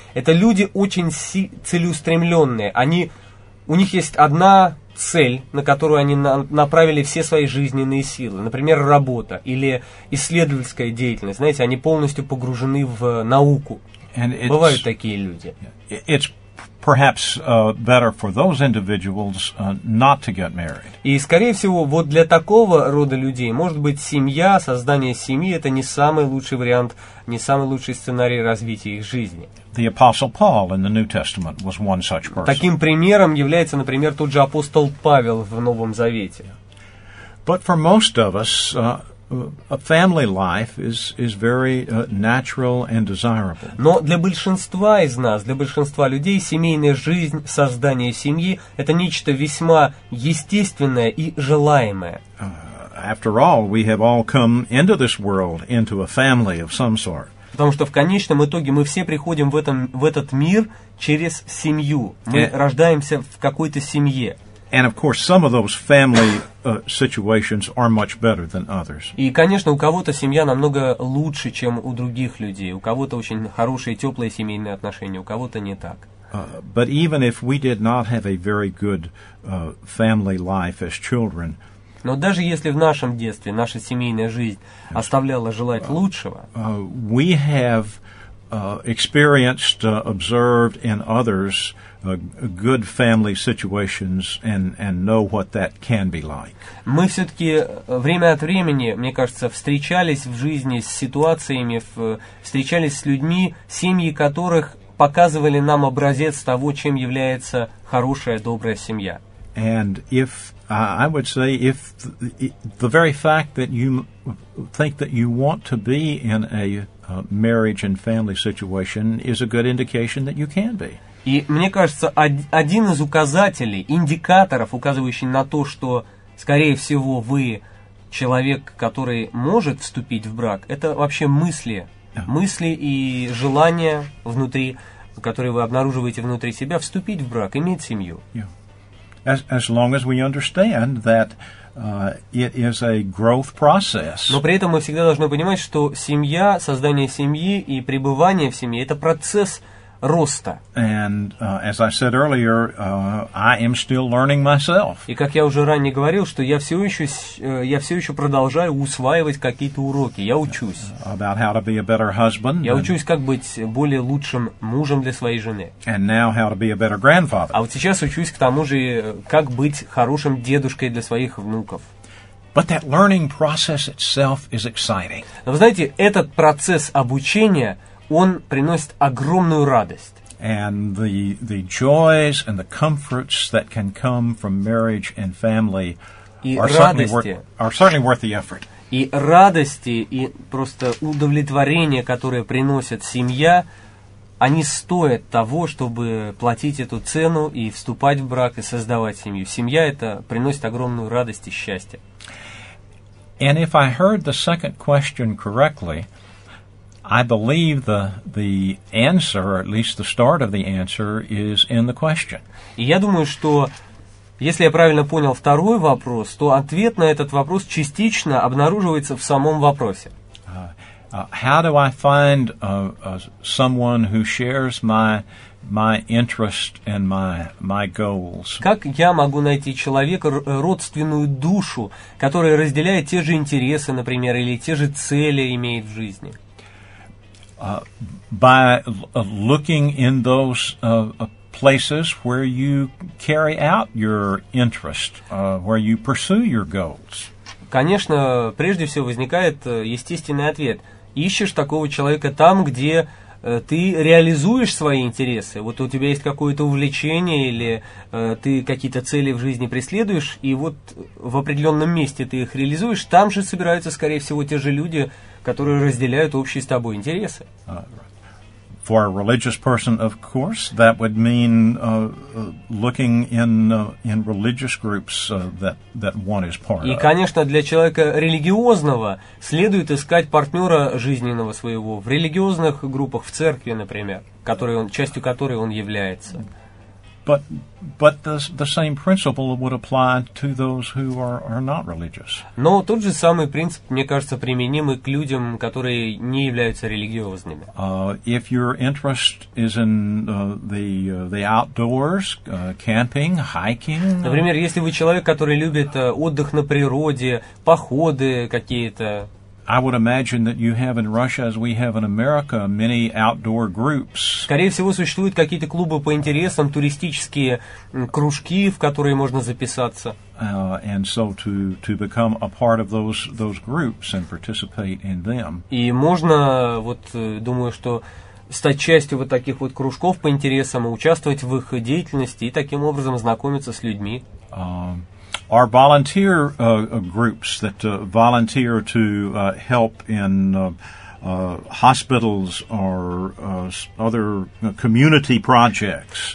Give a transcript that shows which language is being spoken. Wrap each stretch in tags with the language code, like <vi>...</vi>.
<ru>Это люди очень целеустремленные. Они, у них есть одна цель, на которую они направили все свои жизненные силы. Например, работа или исследовательская деятельность. Знаете, они полностью погружены в науку. Бывают такие люди.</ru> <en>Perhaps better for those individuals not to get married.</en> <ru>И, скорее всего, вот для такого рода людей, может быть, семья, создание семьи, это не самый лучший вариант, не самый лучший сценарий развития их жизни.</ru> <en>The Apostle Paul in the New Testament was one such person.</en> <ru>Таким примером является, например, тот же апостол Павел в Новом Завете.</ru> <en>But for most of us, a family life is very natural and desirable.</en> <ru>Но для большинства из нас, для большинства людей, семейная жизнь, создание семьи – это нечто весьма естественное и желаемое.</ru> <en>After all, we have all come into this world into a family of some sort.</en> <ru>Потому что в конечном итоге мы все приходим в этот мир через семью. Мы рождаемся в какой-то семье.</ru> <en>And of course, some of those family situations are much better than others.</en> <ru>И, конечно, у кого-то семья намного лучше, чем у других людей. У кого-то очень хорошие, теплые семейные отношения, у кого-то не так.</ru> <en>But even if we did not have a very good family life as children.</en> <ru>Но даже если в нашем детстве наша семейная жизнь оставляла желать лучшего.</ru> <en>We have experienced, observed in others good family situations and know what that can be like.</en> <ru>Мы все-таки время от времени, мне кажется, встречались в жизни с ситуациями, встречались с людьми, семьи которых показывали нам образец того, чем является хорошая, добрая семья.</ru> <en>And if I would say if the very fact that you think that you want to be in a marriage and family situation is a good indication that you can be.</en> <ru>И мне кажется, один из указателей, индикаторов, указывающий на то, что, скорее всего, вы человек, который может вступить в брак, это вообще мысли. Мысли и желания внутри, которые вы обнаруживаете внутри себя, вступить в брак, иметь семью.</ru> <en>As long as we understand that it is a growth process.</en> <ru>Но при этом мы всегда должны понимать, что семья, создание семьи и пребывание в семье – это процесс роста.</ru> <en>And as I said earlier, I am still learning myself.</en> <ru>И как я уже ранее говорил, что я все еще продолжаю усваивать какие-то уроки. Я учусь.</ru> <en>About how to be a better husband.</en> <ru>Я учусь, как быть более лучшим мужем для своей жены.</ru> <en>And now how to be a better grandfather.</en> <ru>А вот сейчас учусь к тому же, как быть хорошим дедушкой для своих внуков.</ru> <en>But that learning process itself is exciting.</en> <ru>Но вы знаете, этот процесс обучения, он приносит огромную радость.</ru> <en>And the joys and the comforts that can come from marriage and family are certainly worth the effort.</en> <ru>И радости, и просто удовлетворение, которое приносит семья, они стоят того, чтобы платить эту цену и вступать в брак, и создавать семью. Семья это приносит огромную радость и счастье.</ru> <en>And if I heard the second question correctly, I believe the answer, or at least the start of the answer, is in the question.</en> <ru>И я думаю, что если я правильно понял второй вопрос, то ответ на этот вопрос частично обнаруживается в самом вопросе.</ru> <en>How do I find someone who shares my interest and my goals?</en> <ru>Как я могу найти человека, родственную душу, которая разделяет те же интересы, например, или те же цели имеет в жизни?</ru> <en>by looking in those places where you carry out your interest, where you pursue your goals.</en> <ru>Конечно, прежде всего возникает естественный ответ. Ищешь такого человека там, где ты реализуешь свои интересы. Вот у тебя есть какое-то увлечение, или ты какие-то цели в жизни преследуешь, и вот в определенном месте ты их реализуешь, там же собираются, скорее всего, те же люди, которые разделяют общие с тобой интересы.</ru> <en>For a religious person, of course, that would mean looking in religious groups that one is part of.</en> <ru>И, конечно, для человека религиозного следует искать партнера жизненного своего в религиозных группах, в церкви, например, частью которой он является.</ru> <en>But the same principle would apply to those who are not religious.</en> <ru>Но тот же самый принцип, мне кажется, применим и к людям, которые не являются религиозными.</ru> <en>If your interest is in the outdoors, camping, hiking.</en> <ru>Например, если вы человек, который любит отдых на природе, походы какие-то.</ru> <en>I would imagine that you have in Russia, as we have in America, many outdoor groups.</en> <ru>Скорее всего, существуют какие-то клубы по интересам, туристические кружки, в которые можно записаться.</ru> <en>And so to become a part of those groups and participate in them.</en> <ru>И можно, вот думаю, что стать частью вот таких вот кружков по интересам, участвовать в их деятельности и таким образом знакомиться с людьми.</ru> <en>Are volunteer groups that volunteer to help in hospitals or other community projects.</en>